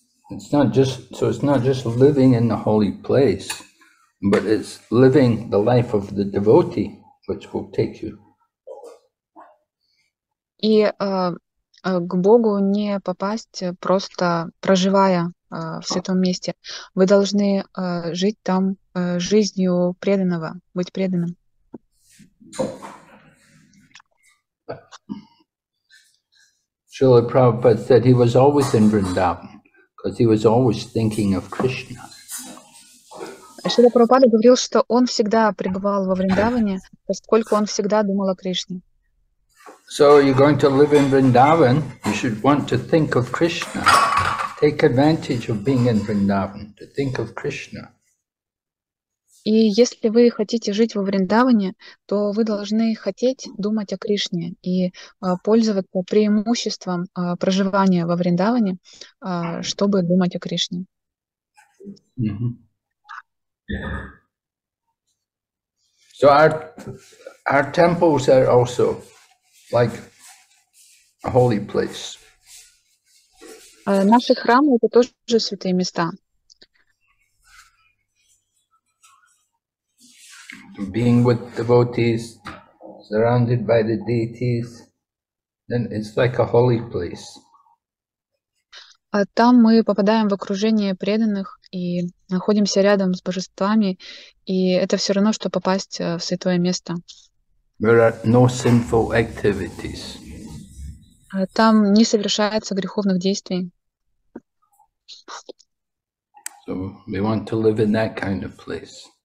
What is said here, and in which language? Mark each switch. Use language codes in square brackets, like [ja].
[en] It's not just living in the holy place, but it's living the life of the devotee, which will take you. [ru] К Богу не попасть, просто проживая в святом месте. Вы должны жить там жизнью преданного, быть преданным. [en] Srila Prabhupada said he was always in Vrindavan, because he was always thinking of Krishna. [ru] Шрила Прабхупада говорил, что он всегда пребывал во Вриндаване, поскольку он всегда думал о Кришне. [en] So you're going to live in Vrindavan, you should want to think of Krishna. Take advantage of being in Vrindavan, to think of Krishna. [ru] И если вы хотите жить во Вриндаване, то вы должны хотеть думать о Кришне и пользоваться преимуществом проживания во Вриндаване, чтобы думать о Кришне. Mm-hmm. [en] So our temples are also like a holy place. [ru] Наши храмы — это тоже святые места. [en] Being with devotees, surrounded by the deities, then it's like a holy place. [ru] Там мы попадаем в окружение преданных и находимся рядом с божествами, и это все равно, что попасть в святое место. [en] There are no sinful activities. [ru] Там не совершается греховных действий. [en] So we want to live in that kind of place.